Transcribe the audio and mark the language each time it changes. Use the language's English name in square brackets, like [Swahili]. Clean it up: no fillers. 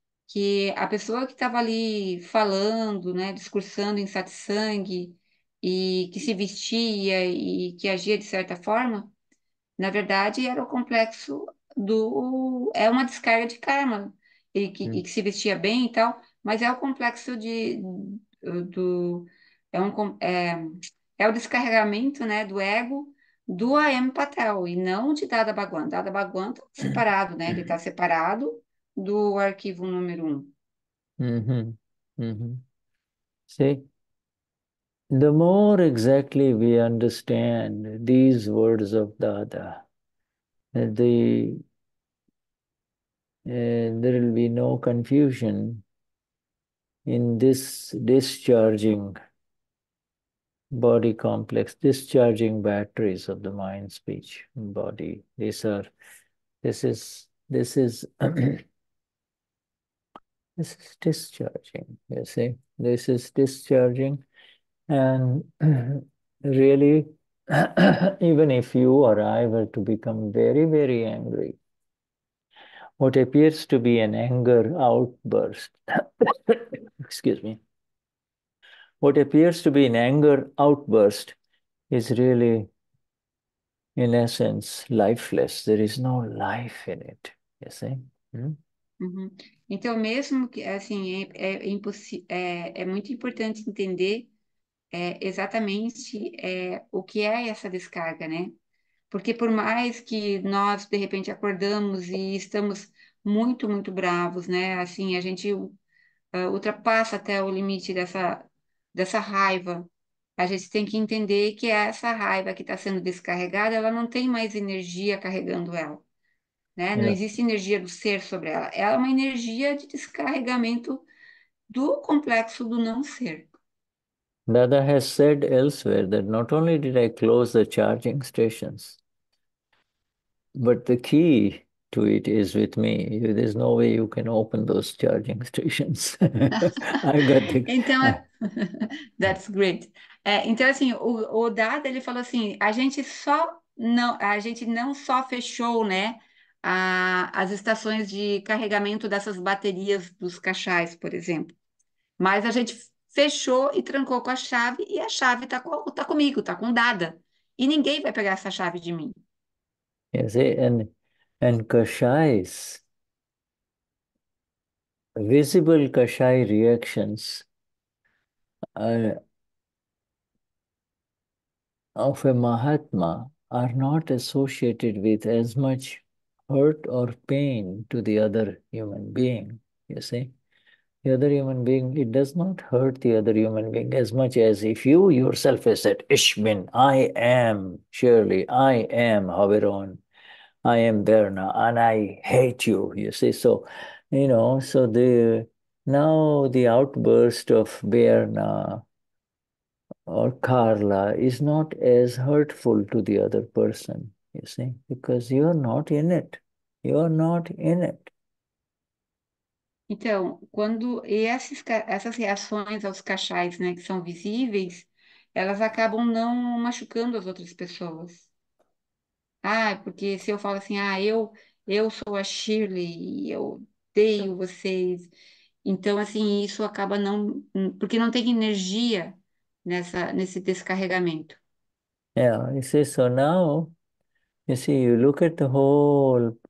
[Portuguese] Que a pessoa que estava ali falando, né, discursando em satsang, e que se vestia e que agia de certa forma, na verdade era o complexo do, é uma descarga de karma, e que se vestia bem e tal, mas é o complexo de do é um é, é o descarregamento, né, do ego do Aem Patel e não de Dada Bhagwan. Dada Bhagwan está separado, né? Ele está separado do arquivo número 1. [English] See, the more exactly we understand these words of Dada, there will be no confusion in this discharging body complex, discharging batteries of the mind, speech, and body. This is discharging, you see. This is discharging. And really, even if you or I were to become very, very angry, what appears to be an anger outburst, excuse me, what appears to be an anger outburst is really, in essence, lifeless. There is no life in it. You see? [Portuguese] Então, mesmo que assim, é muito importante entender exatamente o que é essa descarga, né? Porque por mais que nós, de repente, acordamos e estamos muito, muito bravos, né? Assim, a gente ultrapassa até o limite dessa raiva. A gente tem que entender que essa raiva que está sendo descarregada, ela não tem mais energia carregando ela. Né? Não existe energia do ser sobre ela. Ela é uma energia de descarregamento do complexo do não ser. [English] Dada has said elsewhere that not only did I close the charging stations, but the key to it is with me. There's no way you can open those charging stations. I got the [Portuguese] Então, [English] that's great. [Portuguese] Então, assim, o Dada, ele falou assim, a gente não só fechou, né? As estações de carregamento dessas baterias dos cachais, por exemplo. Mas a gente fechou e trancou com a chave, e a chave tá comigo, tá com Dada. E ninguém vai pegar essa chave de mim. [English] Yes, and kashais, visible kashai reactions of a Mahatma are not associated with as much hurt or pain to the other human being, you see. The other human being, it does not hurt the other human being as much as if you yourself have said, Ishmin, I am Shirley, I am Haviron. I am there now, and I hate you. You see, so you know. So the now the outburst of Berna or Carla is not as hurtful to the other person. You see, because you are not in it. You are not in it. [Portuguese] Então, quando essas reações aos cachais, né, que são visíveis, elas acabam não machucando as outras pessoas. Ah, porque se eu falo assim, ah, eu sou a Shirley, eu odeio vocês. Então, assim, isso acaba não, porque não tem energia nesse descarregamento. [English] Yeah, you see, so now, you see, you look at the whole